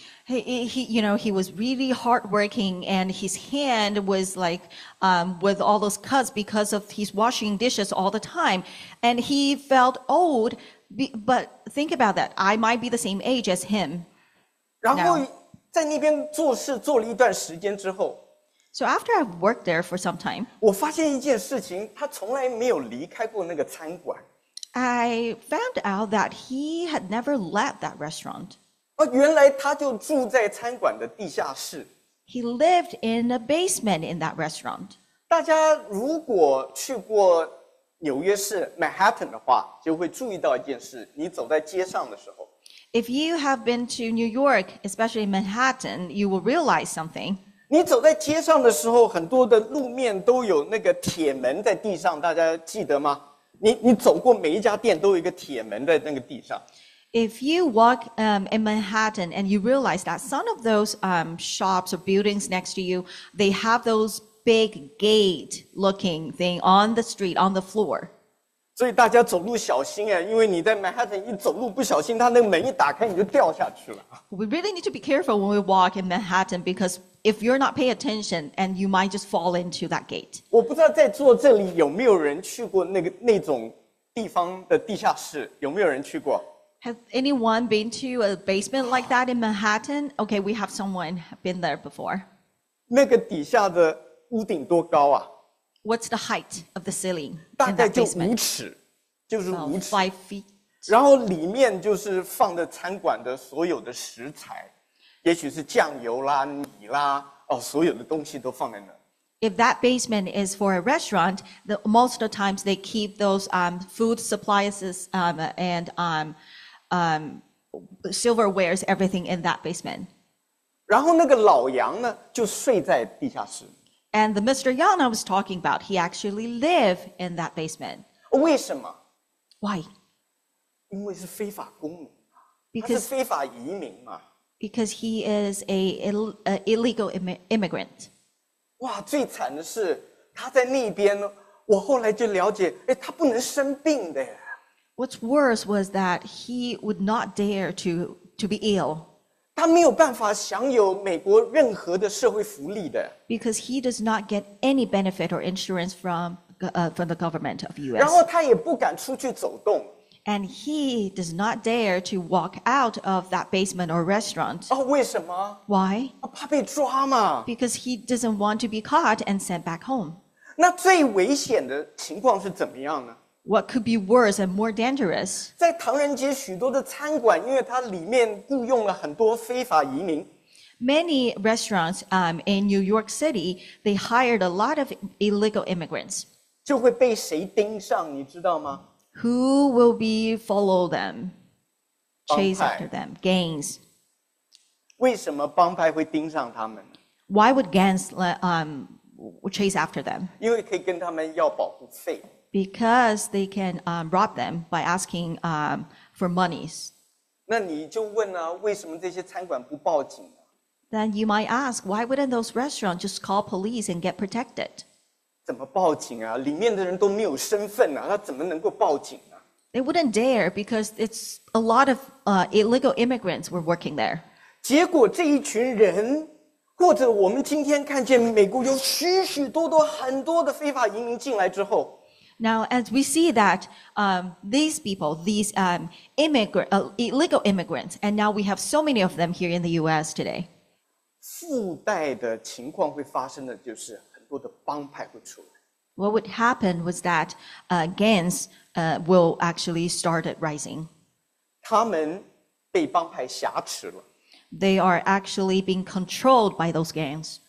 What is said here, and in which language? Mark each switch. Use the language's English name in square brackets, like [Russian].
[English] He was really hardworking, and his hand was like, with all those cuts because of he's washing dishes all the time, and he felt old. But think about that. I might be the same age as him. [Chinese] 然后在那边做事做了一段时间之后 [English] ，So after I've worked there for some time, [Chinese] 我发现一件事情，他从来没有离开过那个餐馆。 [English] I found out that he had never left that restaurant. [Chinese] 原来他就住在餐馆的地下室。 [English] He lived in a basement in that restaurant. [Chinese] 大家如果去过纽约市 Manhattan 的话，就会注意到一件事：你走在街上的时候 [English] ，If you have been to New York, especially Manhattan, you will realize something. [Chinese] 你走在街上的时候，很多的路面都有那个铁门在地上，大家记得吗？你走过每一家店都有一个铁门在那个地上。 [English] If you walk in Manhattan and you realize that some of those shops or buildings next to you, they have those big gate-looking thing on the street, on the floor. [Chinese] 所以大家走路小心啊，因为你在 Manhattan 一走路不小心，它那个门一打开，你就掉下去了。 [English] We really need to be careful when we walk in Manhattan because if you're not paying attention, and you might just fall into that gate. [Chinese] 我不知道在座这里有没有人去过那种地方的地下室，有没有人去过？ [English] Has anyone been to a basement like that in Manhattan? Okay, we have someone been there before. [Chinese] 那个底下的屋顶多高啊？ [English] What's the height of the ceiling in that basement? [Chinese] 大概就五尺，就是五尺。 [English] 5 feet. [Chinese] 然后里面就是放的餐馆的所有的食材，也许是酱油啦、米啦，所有的东西都放在那。 [English] If that basement is for a restaurant, most of the times they keep those food supplies silverwares, everything in that basement. [Chinese] 然后那个老杨呢，就睡在地下室。 [English] And the Mr. Yang I was talking about, he actually live in that basement. [Chinese] 为什么 [English] ？Why? [Chinese] 因为是非法公民，他是非法移民嘛。 [English] Because he is an illegal immigrant. [Chinese] 哇，最惨的是他在那边，我后来就了解，哎，他不能生病的。 [English] What's worse was that he would not dare to be ill. [Chinese] 他没有办法享有美国任何的社会福利的。 [English] Because he does not get any benefit or insurance from the government of U.S. [Chinese] 然后他也不敢出去走动。 [English] And he does not dare to walk out of that basement or restaurant. [Chinese] 为什么？ [English] Why? [Chinese] 怕被抓嘛。 [English] Because he doesn't want to be caught and sent back home. [Chinese] 那最危险的情况是怎么样呢？ [English] What could be worse and more dangerous? [Chinese] 在唐人街许多的餐馆，因为它里面雇佣了很多非法移民。 [English] Many restaurants in New York City, they hired a lot of illegal immigrants. [Chinese] 就会被谁盯上，你知道吗 [English] ？Who will be follow them, chase after them, gangs? [Chinese] 为什么帮派会盯上他们 [English] ？Why would gangs chase after them? [Chinese] 因为可以跟他们要保护费。 [English] Because they can rob them by asking for monies. [Chinese] 那你就问啊，为什么这些餐馆不报警啊？ [English] Then you might ask, why wouldn't those restaurants just call police and get protected? [Chinese] 怎么报警啊？里面的人都没有身份啊，他怎么能够报警啊？ [English] They wouldn't dare because it's a lot of illegal immigrants were working there. [Chinese] 结果这一群人，或者我们今天看见美国有许许多多很多的非法移民进来之后。 [English] Now, as we see that these people, these illegal immigrants, and now we have so many of them here in the U.S. today. [Chinese] 附带的情况会发生的就是很多的帮派会出来。 [English] What would happen was that gangs will actually started rising. [Chinese] 他们被帮派挟持了。 [English] They are actually being controlled by those gangs.